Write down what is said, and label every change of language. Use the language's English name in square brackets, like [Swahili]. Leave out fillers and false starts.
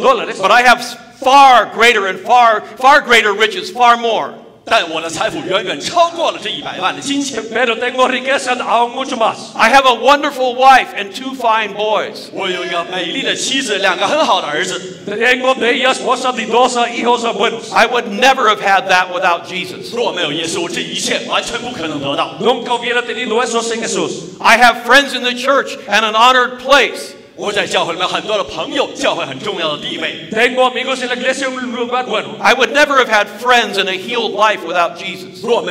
[English] But I have far greater and far greater riches, far more. [Spanish] Pero tengo riqueza aún mucho más. [English] I have a wonderful wife and 2 fine boys. [Chinese] 我有一个美丽的妻子，两个很好的儿子。 [Spanish] Tengo bella esposa y 2 hijos buenos. [English] I would never have had that without Jesus. [Chinese] 若没有耶稣，这一切完全不可能得到。 [Spanish] Nunca hubiera tenido eso sin Jesús. [English] I have friends in the church and an honored place. [Chinese] 我在教会里面很多的朋友，教会很重要的地位。 [Spanish] Tengo amigos en la iglesia un lugar bueno. [English] I would never have had friends and a healed life without Jesus.